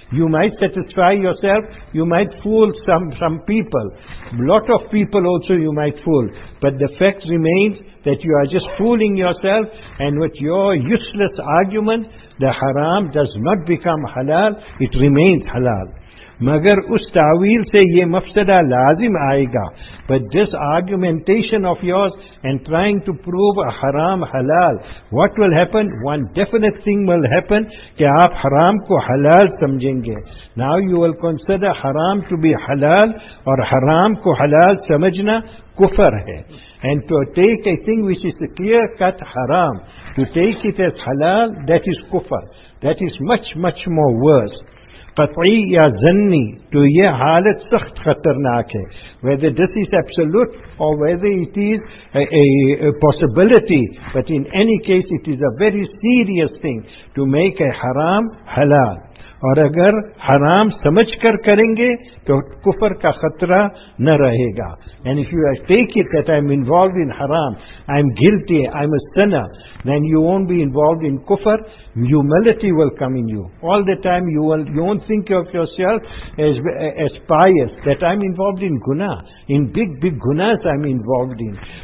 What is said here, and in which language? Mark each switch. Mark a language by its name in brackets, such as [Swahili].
[English] You might satisfy yourself, you might fool some people, lot of people also you might fool, but the fact remains that you are just fooling yourself, and with your useless argument, the haram does not become halal, it remains halal. [Urdu] مگر اس تعویل سے یہ مفسدہ لازم آئے گا. [English] But this argumentation of yours and trying to prove a haram halal, what will happen? One definite thing will happen, [Urdu] کہ آپ حرام کو حلال سمجھیں گے. [English] Now you will consider haram to be halal, [Urdu] اور حرام کو حلال سمجھنا کفر ہے. [English] And to take a thing which is a clear cut haram, to take it as halal, that is kufr. That is much, much more worse. [Urdu] قطعی یا ظنی, تو یہ حالت سخت خطرناک ہے. [English] Whether this is absolute or whether it is a possibility, but in any case it is a very serious thing to make a haram halal. [Urdu] اور اگر حرام سمجھ کر کریں گے تو کفر کا خطرہ نہ رہے گا. [English] And if you take it that I'm involved in haram, I'm guilty, I'm a sinner, then you won't be involved in kufr. Humility will come in you. All the time you won't think of yourself as pious, that I'm involved in guna, in big gunas I'm involved in.